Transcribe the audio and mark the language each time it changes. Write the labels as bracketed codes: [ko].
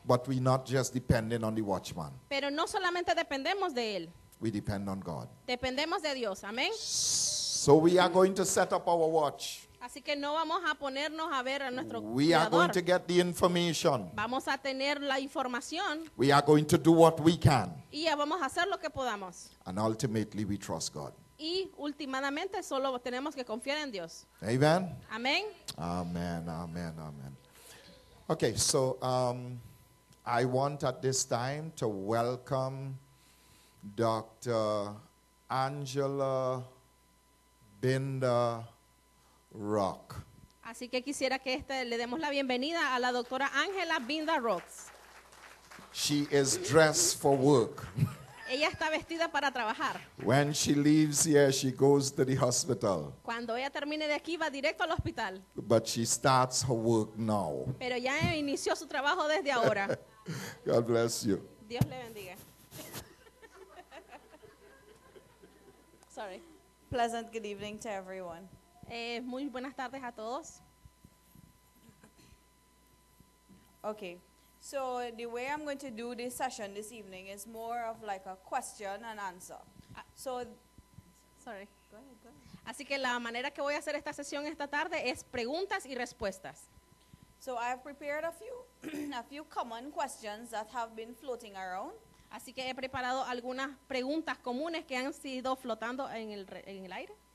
[en] But we're not just depending on the watchman. [es] Pero no solamente dependemos de él. [en] We depend on God. [es] Dependemos de Dios. Amén. [en] So we are going to set up our watch. [es] Así que no vamos a ponernos a ver a nuestro [en] we [es] cuidador. [en] We are going to get the information. [es] Vamos a tener la información. [en] We are going to do what we can. [es] Y ya vamos a hacer lo que podamos. [en] And ultimately we trust God. [es] Y últimamente solo tenemos que confiar en Dios. [en] Amen. [es] Amén. [en] Amen, amen, amen. Okay, so I want at this time to welcome Dr. Angela Binder Rock. [es] Así que quisiera que le demos la bienvenida a la doctora Angela Binder Rocks. [en] She is dressed for work. [es] Ella está vestida para trabajar. [en] When she leaves here, she goes to the hospital. [es] Cuando ella termine de aquí, va directo al hospital. [en] But she starts her work now. [es] Pero ya inició su trabajo desde ahora. [en] God bless you. [es] Dios le bendiga. [en] Sorry. Pleasant good evening to everyone. [es] Muy buenas tardes a todos. [en] Okay, so the way I'm going to do this session this evening is more of like a question and answer. Go ahead. [es] Así que la manera que voy a hacer esta sesión esta tarde es preguntas y respuestas. [en] So I have prepared a few common questions that have been floating around. [es] Así que he preparado algunas preguntas comunes que han sido flotando en el aire.